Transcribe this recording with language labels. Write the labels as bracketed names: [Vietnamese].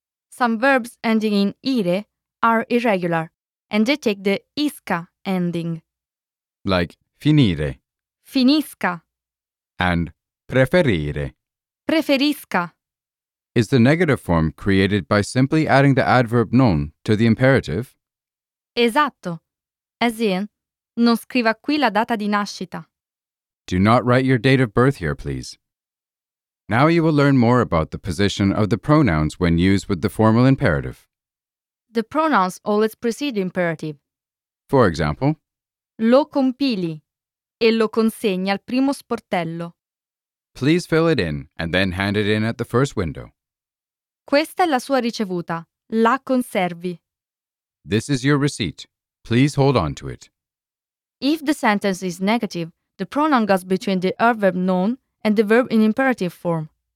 [English] Some verbs ending in ire are irregular, and they take the isca ending. Like finire. [Italian] Finisca. [English] And preferire. [Italian] Preferisca. [English] Is the negative form created by simply adding the adverb non to the imperative? [Italian] Esatto. [English] As in, [Italian] non scriva qui la data di nascita. [English] Do not write your date of birth here, please. Now you will learn more about the position of the pronouns when used with the formal imperative. The pronouns always precede the imperative. For example, [Italian] lo compili e lo consegni al primo sportello. [English] Please fill it in and then hand it in at the first window. [Italian] Questa è la sua ricevuta. La conservi. [English] This is your receipt. Please hold on to it. If the sentence is negative, the pronoun goes between the adverb non and the verb in imperative form.